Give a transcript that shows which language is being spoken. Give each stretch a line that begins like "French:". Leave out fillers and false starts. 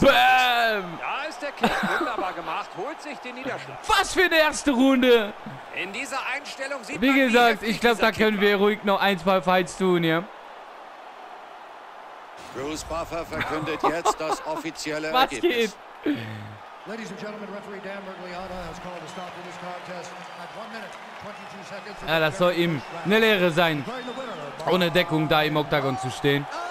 German: Da ist der Kick wunderbar gemacht, holt sich den Niederschlag. Was für eine erste Runde. In dieser Einstellung sieht wie man... Wie gesagt, ich glaube, da können wir ruhig noch ein, zwei Fights tun, ja. Bruce Buffer verkündet jetzt das offizielle was Ergebnis. Geht?
English: Ladies and gentlemen, referee Dan Miragliotta has called a stop to this contest at 1 minute 22 seconds.
German: Ja, das soll ihm eine Lehre sein, ohne Deckung da im Oktagon zu stehen.